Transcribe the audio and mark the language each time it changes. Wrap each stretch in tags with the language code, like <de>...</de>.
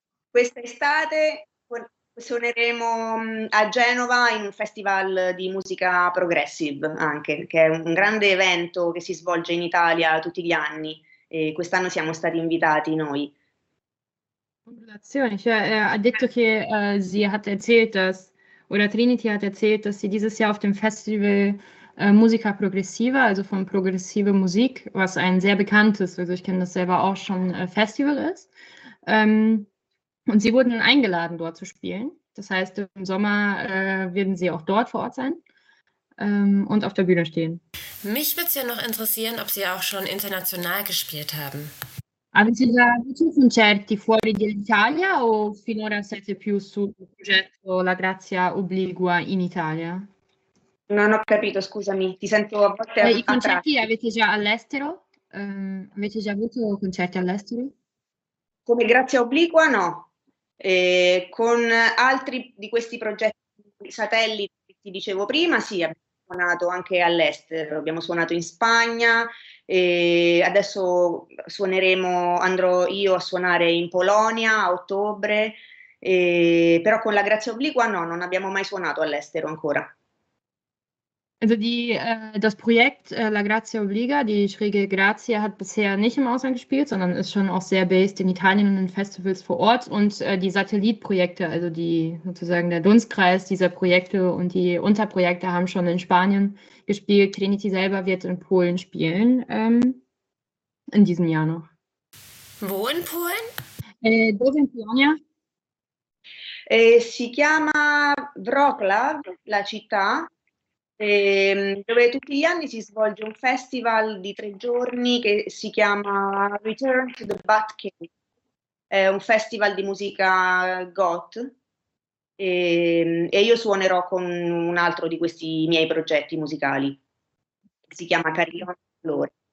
<it>Questa estate suoneremo a Genova in un festival di musica progressive, anche, che è un grande evento che si svolge in Italia tutti gli anni. E quest'anno siamo stati invitati noi. Congratulazioni. Cioè, ha detto che</it> <de>sie hat erzählt, dass, oder Trinity hat erzählt, dass sie dieses Jahr auf dem Festival Musica Progressiva, also von Progressive Musik, was ein sehr bekanntes, also ich kenne das selber auch schon, Festival ist. Und sie wurden eingeladen, dort zu spielen. Das heißt, im Sommer werden sie auch dort vor Ort sein und auf der Bühne stehen. Mich würde es ja noch interessieren, ob sie auch schon international gespielt haben.</de> <it>Avete già avuto concerti fuori dall'Italia o finora siete più sul progetto La Grazia Obliqua in Italia? Non ho capito, scusami, ti sento a volte I concerti tratti. Avete già all'estero? Avete già avuto concerti all'estero? Come Grazia Obliqua no. Con altri di questi progetti satelliti che ti dicevo prima, sì, abbiamo suonato anche all'estero, abbiamo suonato in Spagna. E adesso andrò io a suonare in Polonia a ottobre, però con la Grazia Obliqua no, non abbiamo mai suonato all'estero ancora.</it> <de>Also die, das Projekt La Grazia Obliga, die schräge Grazia, hat bisher nicht im Ausland gespielt, sondern ist schon auch sehr based in Italien und in Festivals vor Ort. Und die Satellitprojekte, also die sozusagen der Dunstkreis dieser Projekte und die Unterprojekte, haben schon in Spanien gespielt. Trinity selber wird in Polen spielen, in diesem Jahr noch. Wo in Polen?</de> <it>Dove in Polonia? Si chiama Wrocław, la città. Dove tutti gli anni si svolge un festival di tre giorni che si chiama Return to the Bat Cave, è un festival di musica goth e io suonerò con un altro di questi miei progetti musicali, si chiama Carillon del Dolore.</it>